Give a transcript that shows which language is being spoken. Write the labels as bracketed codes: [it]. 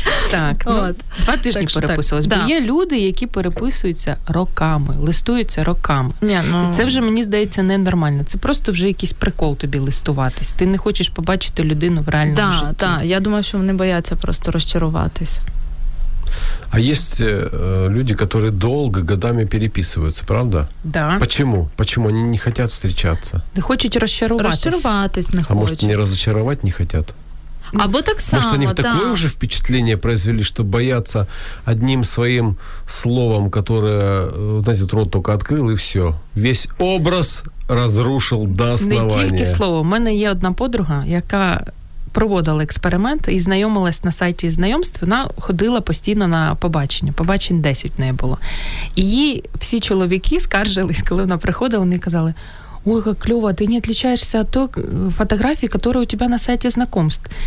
[uk] Так, от. Ну, два тижні так, переписувалось. Так. Бо є люди, які переписуються роками, листуються роками. І це вже, мені здається, ненормально. Це просто вже якийсь прикол тобі листуватись. Ти не хочеш побачити людину в реальному житті. Так, я думаю, що вони бояться просто розчаруватись. [ru] А есть люди, которые долго, годами переписываются, правда? Да. Почему? Почему они не хотят встречаться? Не хочет расчароваться. А может, не разочаровать не хотят? [uk] Або так само, [ru] может, они да. такое уже впечатление произвели, что боятся одним своим словом, которое, знаете, рот только открыл, и все. Весь образ разрушил до основания. [uk] Не тільки слово. [ru] У меня есть одна подруга, [uk] яка... проводила експеримент і знайомилась на сайті знайомств, вона ходила постійно на побачення. Побачень 10 в неї було. І її всі чоловіки скаржились, коли вона приходила, вони казали, ой, як кльово, ти не відлічаєшся від тих фотографій, які у тебе на сайті знайомств.